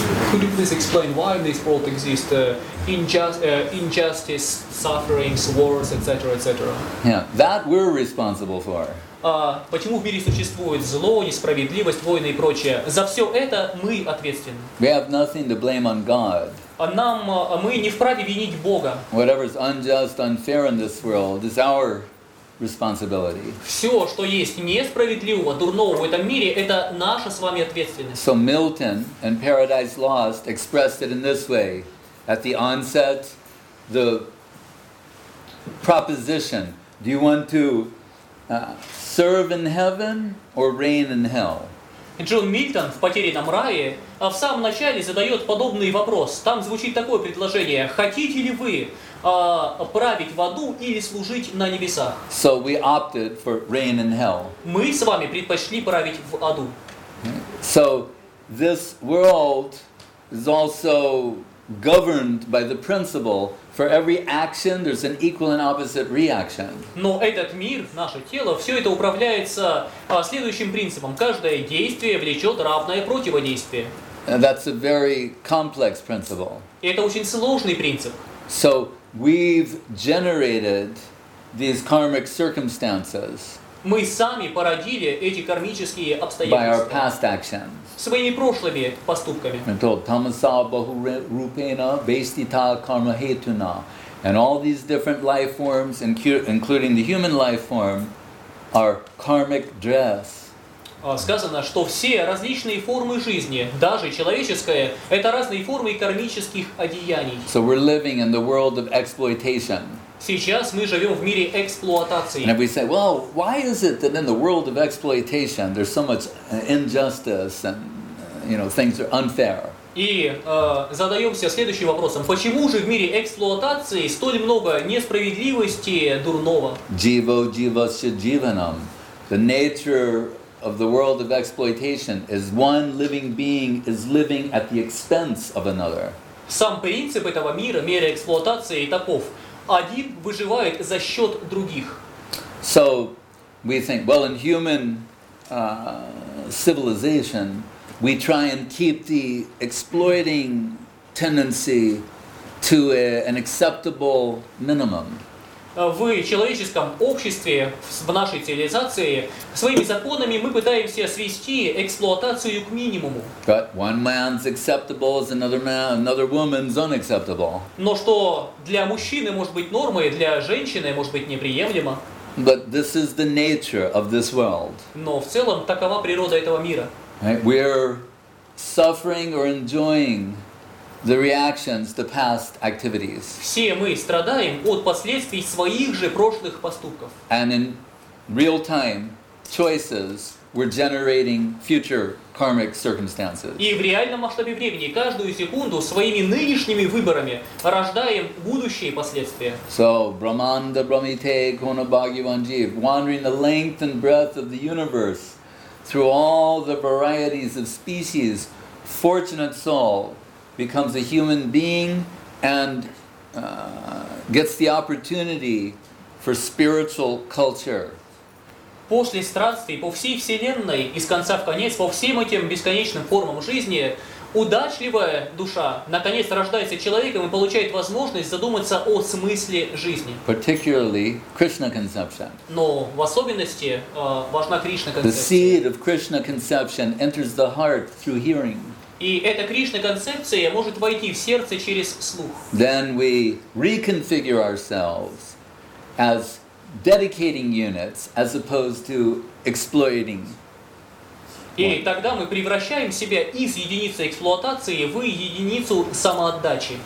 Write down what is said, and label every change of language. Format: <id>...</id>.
<en>Could you please explain why in this world exist injustice, sufferings, wars, etc., etc.? Yeah, that we're responsible for.</en> <ru>Почему в мире существует зло, несправедливость, войны и прочее? За все это мы ответственны.</ru> <en>We have nothing to blame on God.</en> <ru>Мы не вправе винить Бога.</ru> <en>Whatever is unjust, unfair in this world is our responsibility.</en> <ru>Все, что есть несправедливого, дурного в этом мире, это наша с вами ответственность.</ru> <en>So Milton in Paradise Lost expressed it in this way. At the onset, the proposition, do you want to serve in heaven or reign in hell?</en> <ru>Джон Мильтон в «Потерянном рае» в самом начале задает подобный вопрос. Там звучит такое предложение. Хотите ли вы править в аду или служить на небесах?</ru> <en>So we opted for reign in hell.</en> <ru>Мы с вами предпочли править в аду.</ru> <en>So this world is also governed by the principle for every action there's an equal and opposite reaction.</en> <ru>Но этот мир, наше тело, все это управляется следующим принципом. Каждое действие влечет равное противодействие.</ru> <en>And that's a very complex principle.</en> <ru>Это очень сложный принцип.</ru> <en>So we've generated these karmic circumstances.</en> <ru>Мы сами породили эти кармические обстоятельства.</ru> <en>By our past actions.</en> <ru>Своими прошлыми поступками.</ru> <en>And told</en> <sa>Tamasa Bahu Rupena Vestita Karma Hetuna.</sa> <en>And all these different life forms, including the human life form, are karmic dress.</en> <ru>Сказано, что все различные формы жизни, даже человеческая, это разные формы кармических одеяний.</ru> <en>So we're living in the world of exploitation.</en> <ru>Сейчас мы живем в мире эксплуатации.</ru> <en>And if we say, well, why is it that in the world of exploitation there's so much injustice and, you know, things are unfair?</en> <ru>И задаемся следующим вопросом. Почему же в мире эксплуатации столь много несправедливости, дурного?</ru> <sa>Jiva, jiva, shijivanam.</sa> <en>The nature of the world of exploitation is one living being is living at the expense of another.</en> <ru>Сам принцип этого мира, мира эксплуатации таков. Один выживает за счет других.</ru> <en>So we think, well, in human civilization, we try and keep the exploiting tendency to an acceptable minimum.</en> <ru>В человеческом обществе, в нашей цивилизации, своими законами мы пытаемся свести эксплуатацию к минимуму.</ru> <en>But one man's acceptable is another man, another woman's unacceptable.</en> <ru>Но что для мужчины может быть нормой, для женщины может быть неприемлемо.</ru> <en>But this is the nature of this world.</en> <ru>Но в целом такова природа этого мира.</ru> <en>Right? We're suffering or enjoying the reactions to past activities.</en> <ru>Все мы страдаем от последствий своих же прошлых поступков.</ru> <en>And in real time choices were generating future karmic circumstances.</en> <ru>И в реальном масштабе времени каждую секунду своими нынешними выборами рождаем будущие последствия.</ru> <en>So</en> <sa>Brahmanda Brahmite Kona Bhagyavan Jeev,</sa> <en>wandering the length and breadth of the universe through all the varieties of species, fortunate soul becomes a human being and gets the opportunity for spiritual culture.</en> <ru>После странствий по всей вселенной, из конца в конец, по всем этим бесконечным формам жизни, удачливая душа наконец рождается человеком и получает возможность задуматься о смысле жизни.</ru> <en>Particularly Krishna conception.</en> <ru>Но в особенности важна Кришна концепция.</ru> <en>The seed of Krishna conception enters the heart through hearing.</en> <ru>И эта Кришна-концепция может войти в сердце через слух.</ru> <en>Then we reconfigure ourselves as dedicating units as opposed to exploiting.</en> <ru>И тогда мы превращаем себя из единицы эксплуатации в единицу самоотдачи.</ru>